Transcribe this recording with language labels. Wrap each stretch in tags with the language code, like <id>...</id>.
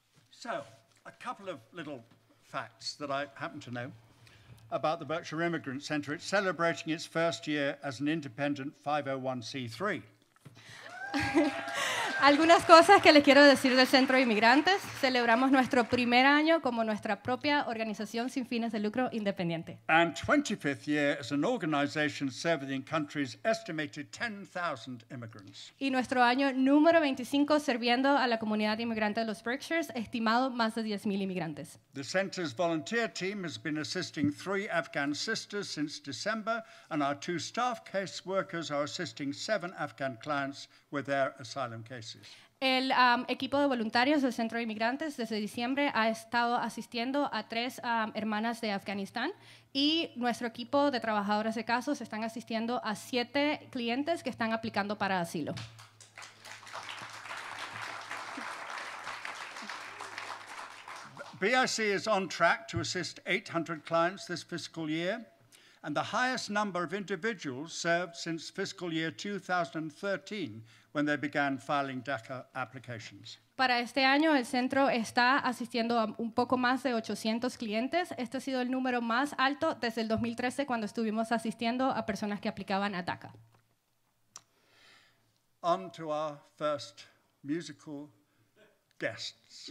<en>So, a couple of little facts that I happen to know about the Berkshire Immigrant Center. It's celebrating its first year as an independent 501c3.</en> <es>Algunas cosas que les quiero decir del Centro de Inmigrantes. Celebramos nuestro primer año como nuestra propia organización sin fines de lucro independiente.</es> <en>And 25th year as an organization serving countries estimated 10,000 immigrants.</en> <es>Y nuestro año número 25 sirviendo a la comunidad inmigrante de los Berkshires, estimado más de 10,000 inmigrantes.</es> <en>The center's volunteer team has been assisting 3 Afghan sisters since December, and our 2 staff caseworkers are assisting 7 Afghan clients with their asylum cases.</en> <es>El equipo de voluntarios del Centro de Inmigrantes desde diciembre ha estado asistiendo a 3 hermanas de Afganistán y nuestro equipo de trabajadores de casos están asistiendo a 7 clientes que están aplicando para asilo.</es> <en>BIC is on track to assist 800 clients this fiscal year and the highest number of individuals served since fiscal year 2013. When they began filing DACA applications.</en> <es>Para este año, el centro está asistiendo a un poco más de 800 clientes. Este ha sido el número más alto desde el 2013, cuando estuvimos asistiendo a personas que aplicaban a DACA.</es> <en>On to our first musical guests.</en>